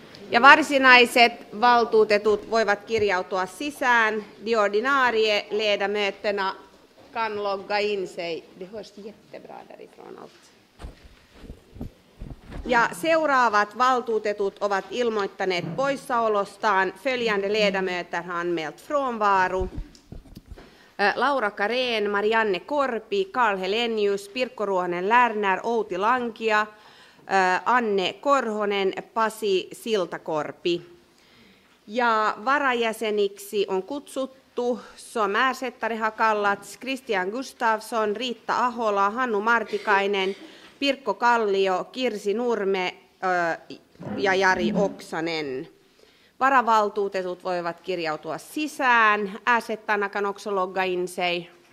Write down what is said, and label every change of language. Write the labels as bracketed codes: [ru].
[fi] Ja varsinaiset valtuutetut voivat kirjautua sisään. [sv] De ordinarie ledamöterna kan logga in sig. Det hörs jättebra därifrån allt. [fi] Ja seuraavat valtuutetut ovat ilmoittaneet poissaolostaan. [sv] Följande ledamöter har anmält frånvaro. [fi] Laura Karén, Marianne Korpi, Karl Helenius, Pirkko Ruohonen Lärnär, Outi Lankia, Anne Korhonen, Pasi Siltakorpi. Ja varajäseniksi on kutsuttu Somer Settari Hakallats, Christian Gustafsson, Riitta Ahola, Hannu Martikainen, Pirkko Kallio, Kirsi Nurme ja Jari Oksanen. Varavaltuutetut voivat kirjautua sisään. [sv] Äsettana kan också logga in sig.